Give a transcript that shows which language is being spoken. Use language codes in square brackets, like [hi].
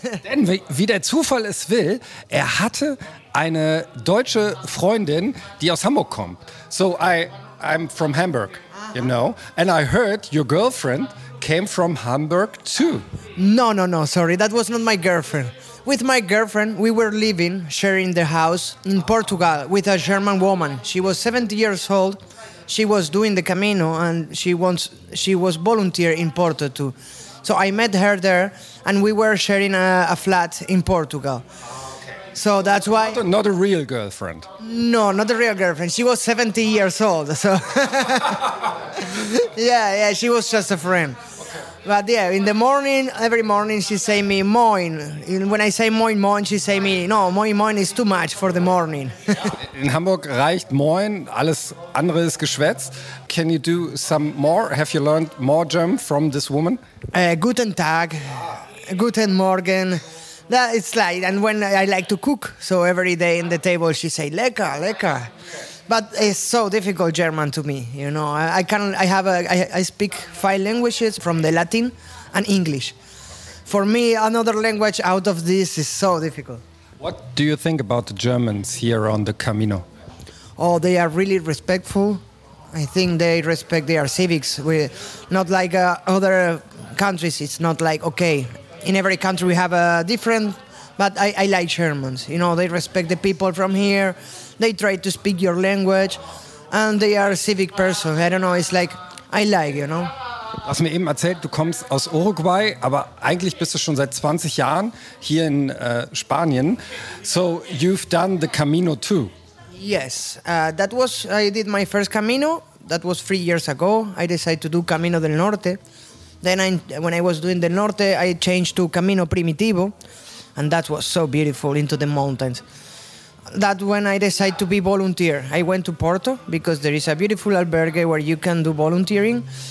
[de] Denn wie der Zufall es will, er hatte eine deutsche Freundin, die aus Hamburg kommt. [en] So I'm from Hamburg, you know, and I heard your girlfriend came from Hamburg too. No, sorry, that was not my girlfriend. With my girlfriend, we were living, sharing the house in Portugal with a German woman. She was 70 years old. She was doing the Camino, and she was volunteer in Porto too. So I met her there, and we were sharing a flat in Portugal. So that's why... Not a real girlfriend. No, not a real girlfriend. She was 70 years old, so... yeah, she was just a friend. But yeah, in the morning, every morning, she say me, moin. When I say moin, moin, she say me, no, moin, moin is too much for the morning. [de] In Hamburg reicht moin, alles andere ist Geschwätz. [en] Can you do some more? Have you learned more German from this woman? [de] Guten Tag, guten Morgen. [en] That it's like, and when I like to cook, so every day in the table she say, [de] lecker, lecker. [en] But it's so difficult German to me, you know. I speak five languages, from the Latin and English. For me, another language out of this is so difficult. What do you think about the Germans here on the Camino? Oh, they are really respectful. I think they respect their civics. We're not like other countries. It's not like, okay, in every country we have a different... But I like Germans, you know, they respect the people from here, they try to speak your language, and they are a civic person. I don't know, it's like, I like, you know. [de] Du hast mir eben erzählt, du kommst aus Uruguay, aber eigentlich bist du schon seit 20 Jahren hier in Spanien. [en] So you've done the Camino too? Yes, I did my first Camino, that was 3 years ago. I decided to do Camino del Norte. Then when I was doing del Norte, I changed to Camino Primitivo. And that was so beautiful, into the mountains. That when I decided to be volunteer, I went to Porto, because there is a beautiful albergue where you can do volunteering.